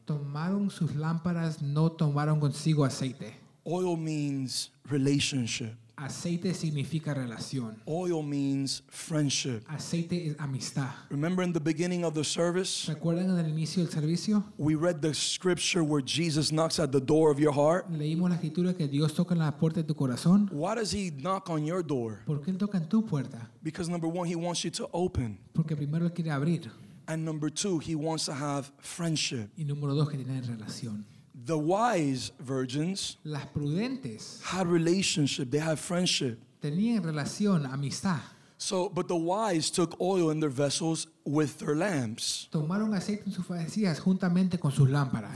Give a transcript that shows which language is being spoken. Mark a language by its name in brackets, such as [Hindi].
[Spanish] Tomaron sus lámparas, no tomaron consigo aceite. [English] Oil means relationship. [Spanish] Aceite significa relación. [English] Oil means friendship. [Spanish] Aceite es amistad. [English] Remember in the beginning of the service? [Spanish] ¿Recuerdan en el inicio del servicio? [English] We read the scripture where Jesus knocks at the door of your heart. [Spanish] Leímos la escritura que Dios toca en la puerta de tu corazón. [English] Why does he knock on your door? [Spanish] ¿Por qué él toca en tu puerta? [English] Because number one, he wants you to open. [Spanish] Porque primero él quiere abrir. [English] And number two, he wants to have friendship. [Spanish] Y número dos, que tiene relación. [English] The wise virgins, [Spanish] las prudentes, [English] had relationship, they had friendship. [Spanish] Tenían relación, amistad. [English] So, but the wise took oil in their vessels with their lamps. [Spanish] Tomaron aceite en sus vasijas juntamente con sus lámparas.